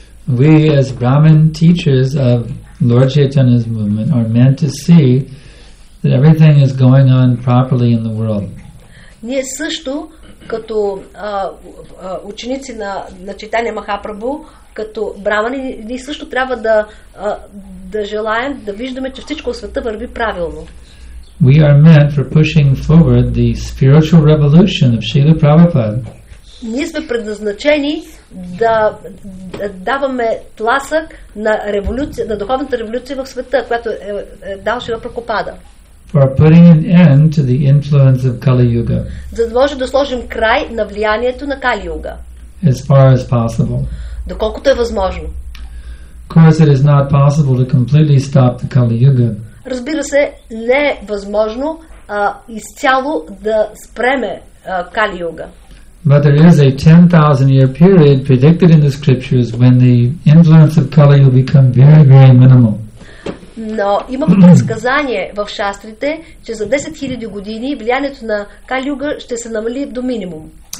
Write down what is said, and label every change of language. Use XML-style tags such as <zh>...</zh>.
<en>We as Brahmin teachers of Lord Chaitanya's movement are meant to see that everything is going on properly in the world.</en> <bg>Ние също, като ученици на Чайтанья Махапрабху, като брамани, ние също трябва да желаем да виждаме, че всичко в света върви правилно.</bg> <en>We are meant for pushing forward the spiritual revolution of Srila Prabhupada.</en> <bg>Ние сме предназначени да даваме тласък на революция, на духовната революция в света, която е дал Шрила Прабхупада.</bg> <en>For putting an end to the influence of Kali Yuga.</en> <bg>За да може да сложим край на влиянието на Кали Юга.</bg> <en>As far as possible.</en> <bg>Доколкото е възможно.</bg> <en>Of course, it is not possible to completely stop the Kali Yuga.</en> <bg>Разбира се, не е възможно изцяло да спреме Кали Юга.</bg> <en>But there is a 10,000 year period predicted in the scriptures when the influence of Kali will become very, very minimal.</en> <bg>Но има предсказание в шастрите, че за 10 000 години влиянието на Кали Юга ще се намали до минимум.</bg>